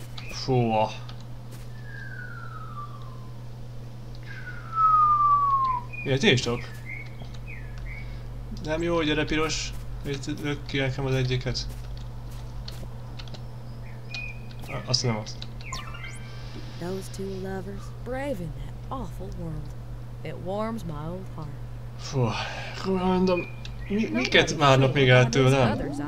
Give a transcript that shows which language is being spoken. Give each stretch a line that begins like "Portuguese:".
Hungarian: Fúha. Miért én is tudok? Nem jó, gyere piros. Miért lök ki nekem az egyiket? Azt nem azt.
English: Those two lovers braving that awful world. It warms my old heart.
Hungarian: Fú, akkor mondom, miket várnak még el tőlem?